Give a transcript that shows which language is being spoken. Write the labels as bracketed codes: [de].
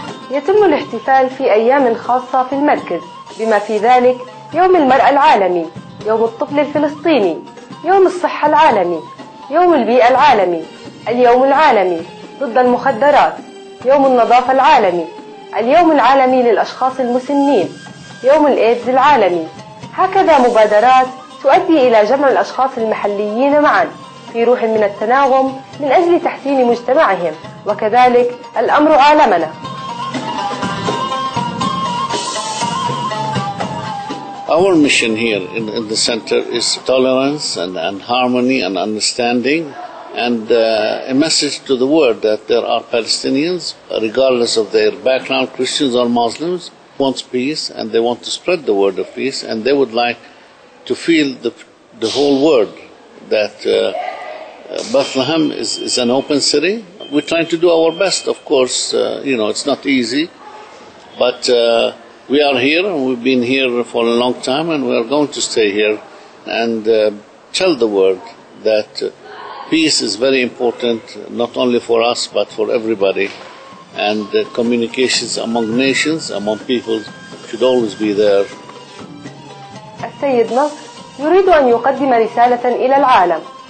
[ar] يتم الاحتفال في أيام خاصة في المركز بما في ذلك يوم المرأة العالمي، يوم الطفل الفلسطيني، يوم الصحة العالمي، يوم البيئة العالمي، اليوم العالمي ضد المخدرات، يوم النظافة العالمي، اليوم العالمي للأشخاص المسنين، يوم الإيدز العالمي. هكذا مبادرات تؤدي إلى جمع الأشخاص المحليين معا في روح من التناغم من أجل تحسين مجتمعهم، وكذلك الأمر عالمنا. [en] Our mission here in the center is tolerance and harmony and understanding and a message to the world that there are Palestinians, regardless of their background, Christians or Muslims, want peace and they want to spread the word of peace and they would like to feel the whole world that Bethlehem is an open city. We're trying to do our best, of course, you know, it's not easy, but we are here and we've been here for a long time and we are going to stay here and tell the world that peace is very important, not only for us but for everybody, and communications among nations, among people should always be there. [ar] السيد نصر يريد أن يقدم رسالة إلى العالم.